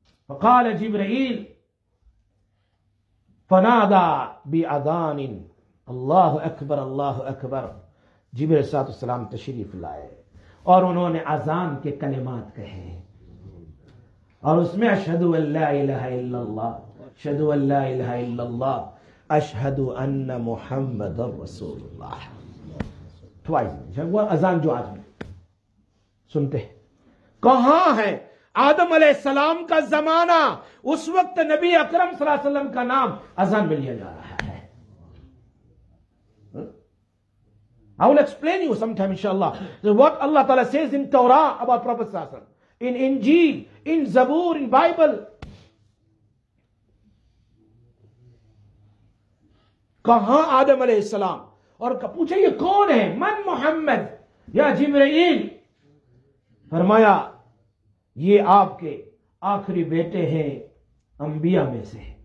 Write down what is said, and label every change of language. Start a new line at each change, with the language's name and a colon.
Arabic: فقال جبرائیل فنادا بأذان اللہ اکبر اللہ اکبر،
Urdu: جبرائیل علیہ السلام تشریف لائے اور انہوں نے اذان کے کلمات کہے، اور اس میں
Arabic: اشہد ان لا الہ الا اللہ، اشہد ان لا الہ الا اللہ، اشہد ان محمد رسول اللہ،
Urdu: وہ اذان جو آدمی سنتے ہیں. کہاں ہے آدم علیہ السلام کا زمانہ، اس وقت نبی اکرم صلی اللہ علیہ وسلم کا نام اذان میں لیا جا رہا ہے.
English: I will explain you sometime inshallah what Allah Ta'ala says in Torah about Prophet صلی اللہ علیہ وسلم, in Injil, in Zabur, in Bible.
Urdu: کہاں آدم علیہ السلام، اور پوچھا یہ کون ہے،
Arabic: من محمد یا جبرائیل،
Urdu: فرمایا یہ آپ کے آخری بیٹے ہیں انبیاء میں سے.